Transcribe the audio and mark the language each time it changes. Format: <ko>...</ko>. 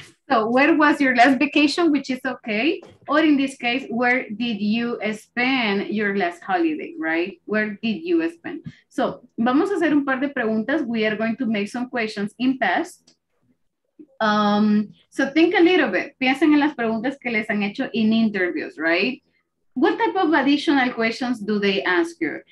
<en>So where was your last vacation, which is okay. Or in this case, where did you spend your last holiday, right? Where did you spend? So</en> <es>vamos a hacer un par de preguntas.</es> <en>We are going to make some questions in past. So think a little bit.</en> <es>Piensen en las preguntas que les han hecho</es> <en>in interviews, right? What type of additional questions do they ask you?</en>